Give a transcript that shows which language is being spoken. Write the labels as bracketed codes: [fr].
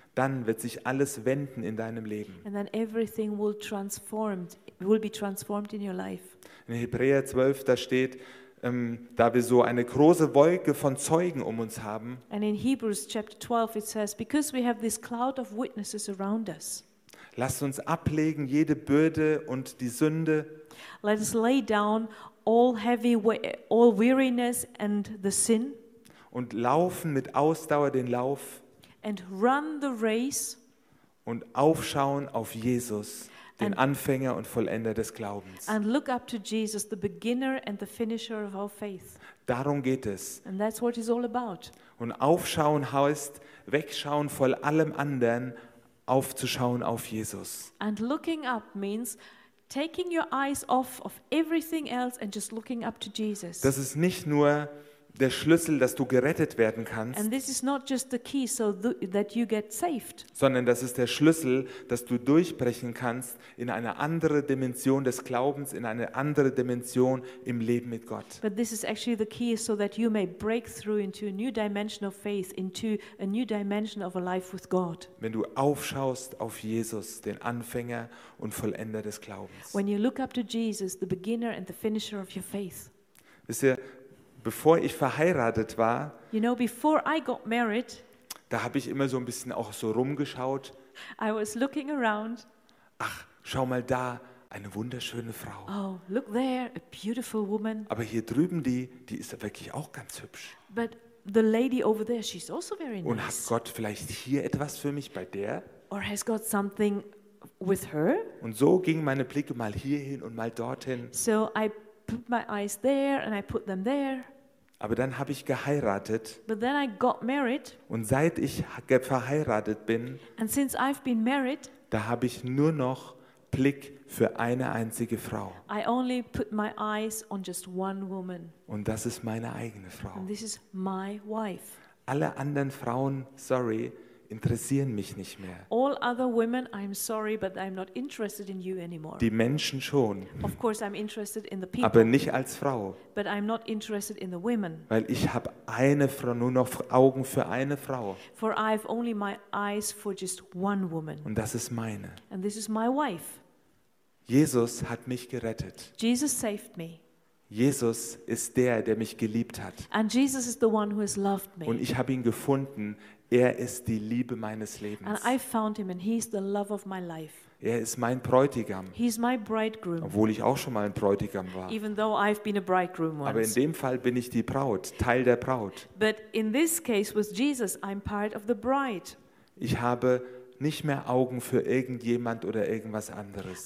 [de] Dann wird sich alles wenden in deinem Leben. [en] And then everything will be transformed in your life. [de] In Hebräer 12, da steht, da wir so eine große Wolke von Zeugen um uns haben. [en] And in Hebrews chapter 12 it says, because we have this cloud of witnesses around us. [de] Lasst uns ablegen jede Bürde und die Sünde. [en] Let us lay down all weariness and the sin. [de] Und laufen mit Ausdauer den Lauf. [en] And run the race. [de] Und aufschauen auf Jesus. Den Anfänger und Vollender des Glaubens. [en] And look up to Jesus, the beginner and the finisher of our faith. [de] Darum geht es. [en] And that's what it's all about. [de] Und aufschauen heißt, wegschauen von allem anderen, aufzuschauen auf Jesus. [en] And looking up means taking your eyes off of everything else and just looking up to Jesus. [de] Das ist nicht nur der Schlüssel, dass du gerettet werden kannst. [en] And this is not just the key so that you get saved. [de] Sondern das ist der Schlüssel, dass du durchbrechen kannst in eine andere Dimension des Glaubens, in eine andere Dimension im Leben mit Gott. [en] But this is actually the key so that you may break through into a new dimension of faith, into a new dimension of a life with God. [de] Wenn du aufschaust auf Jesus, den Anfänger und Vollender des Glaubens. [en] When you look up to Jesus, the beginner and the finisher of your faith. [de] Wisst ihr, bevor ich verheiratet war, [en] you know, before I got married, [de] da habe ich immer so ein bisschen auch so rumgeschaut. [en] I was looking around. [de] Ach, schau mal da, eine wunderschöne Frau. [en] Oh, look there, a beautiful woman. [de] Aber hier drüben die ist wirklich auch ganz hübsch. [en] But the lady over there, she's also very nice. [de] Und hat Gott vielleicht hier etwas für mich bei der? [en] Or has God something with her? [de] Und so gingen meine Blicke mal hierhin und mal dorthin. [en] So I put my eyes there and I put them there. [de] Aber dann habe ich geheiratet. [en] But then I got married. [de] Und seit ich verheiratet bin, [en] and since I've been married, [de] da habe ich nur noch Blick für eine einzige Frau. [en] I only put my eyes on just one woman. [de] Und das ist meine eigene Frau. [en] And this is my wife. [de] Alle anderen Frauen, sorry, interessieren mich nicht mehr. [en] All other women, I'm sorry, but I'm not interested in you anymore. [de] Die Menschen schon. [en] Of course I'm interested in the people. [de] Aber nicht als Frau. [en] But I'm not interested in the women. [de] Weil ich habe eine Frau, nur noch Augen für eine Frau. [en] For I've only my eyes for just one woman. [de] Und das ist meine. [en] And this is my wife. [de] Jesus hat mich gerettet. [en] Jesus saved me. [de] Jesus ist der mich geliebt hat. [en] And Jesus is the one who has loved me. [de] Und ich habe ihn gefunden. Er ist die Liebe meines Lebens. [en] And I found him and he is the love of my life. [de] Er ist mein Bräutigam. [en] He is my bridegroom. [de] Obwohl ich auch schon mal ein Bräutigam war. [en] Even though I've been a bridegroom once. [de] Aber in dem Fall bin ich die Braut, Teil der Braut. [en] But in this case with Jesus I'm part of the bride. [de] Ich habe nicht mehr Augen für irgendjemand oder irgendwas anderes.